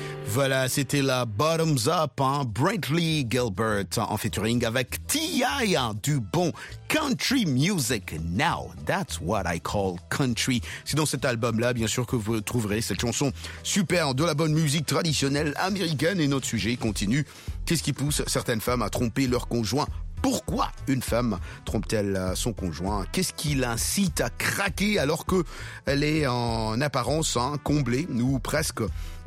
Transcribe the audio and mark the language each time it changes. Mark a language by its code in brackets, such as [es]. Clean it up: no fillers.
[fr] Voilà, c'était la Bottoms Up, hein, Brantley Gilbert en featuring avec T.I. du bon country music. [en] Now, that's what I call country. [fr] C'est dans cet album-là, bien sûr, que vous trouverez cette chanson super de la bonne musique traditionnelle américaine. Et notre sujet continue. Qu'est-ce qui pousse certaines femmes à tromper leur conjoint ? Pourquoi une femme trompe-t-elle son conjoint ? Qu'est-ce qui l'incite à craquer alors qu'elle est en apparence hein, comblée ou presque ?